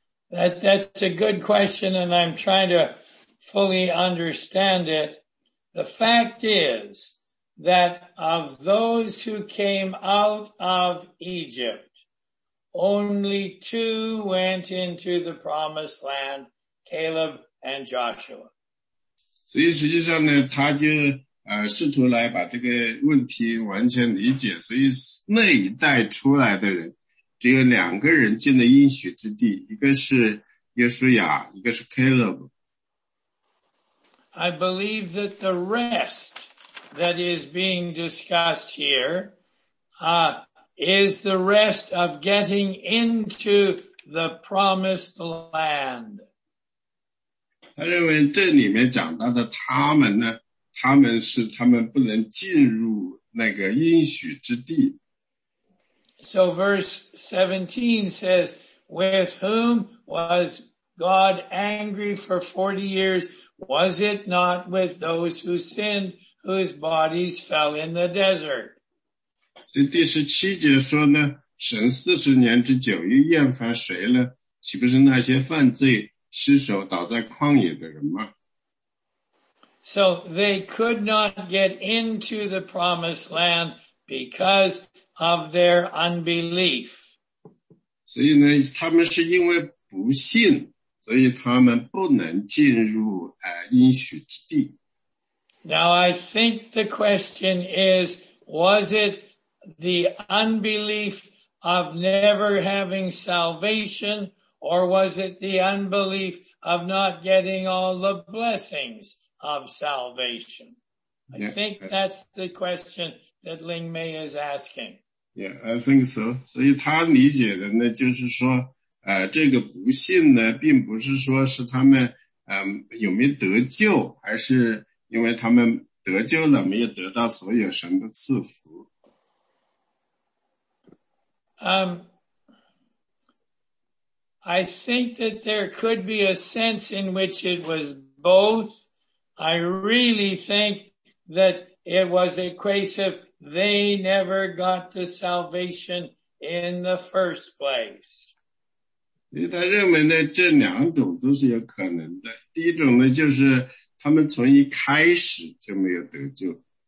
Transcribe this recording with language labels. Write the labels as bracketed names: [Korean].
[English] That's a good question, and I'm trying to fully understand it. The fact is that of those who came out of Egypt, only two went into the promised land, Caleb and Joshua. [Chinese] 所以实际上呢，他就试图来把这个问题完全理解。所以那一代出来的人，只有两个人进了应许之地，一个是约书亚，一个是 Caleb。 [English] I believe that the rest that is being discussed here, is the rest of getting into the promised land. [Chinese] 他认为这里面讲到的他们呢，他们是他们不能进入那个应许之地。 [English] So verse 17 says, with whom was God angry for 40 years? Was it not with those who sinned, whose bodies fell in the desert? [Chinese] 所以第十七节说呢，神四十年之久又厌烦谁呢？岂不是那些犯罪失手倒在旷野的人吗？ [English] So they could not get into the promised land because of their unbelief. [Chinese] 所以呢，他们是因为不信，所以他们不能进入应许之地。 [English] Now I think the question is, was it the unbelief of never having salvation, or was it the unbelief of not getting all the blessings of salvation? I think that's the question that Ling Mei is asking. Yeah, I think so. [Chinese] 所以他理解的呢，就是说这个不信呢，并不是说是他们有没有得救，还是因为他们得救了没有得到所有神的赐福。 [English] I think that there could be a sense in which it was both. I really think that it was a case of they never got the salvation in the first place. [Chinese] 因为他认为呢，这两种都是有可能的。第一种呢，就是他们从一开始就没有得救。